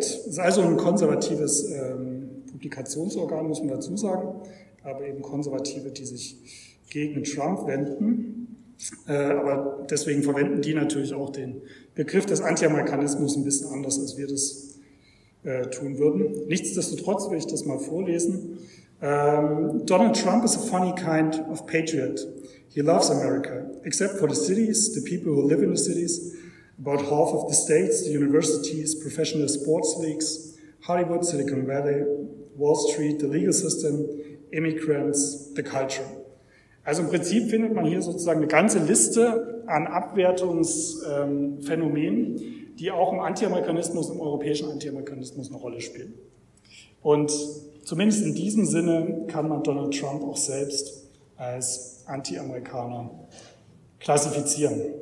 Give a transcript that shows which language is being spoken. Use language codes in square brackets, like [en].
[de] Das ist also ein konservatives Publikationsorgan, muss man dazu sagen, aber eben Konservative, die sich gegen Trump wenden. Aber deswegen verwenden die natürlich auch den Begriff des Anti-Amerikanismus ein bisschen anders, als wir das tun würden. Nichtsdestotrotz will ich das mal vorlesen. [en] Donald Trump is a funny kind of patriot. He loves America, except for the cities, the people who live in the cities, about half of the states, the universities, professional sports leagues, Hollywood, Silicon Valley, Wall Street, the legal system, immigrants, the culture. [de] Also im Prinzip findet man hier sozusagen eine ganze Liste an Abwertungsphänomenen, die auch im Anti-Amerikanismus, im europäischen Anti-Amerikanismus eine Rolle spielen. Und zumindest in diesem Sinne kann man Donald Trump auch selbst als Anti-Amerikaner klassifizieren.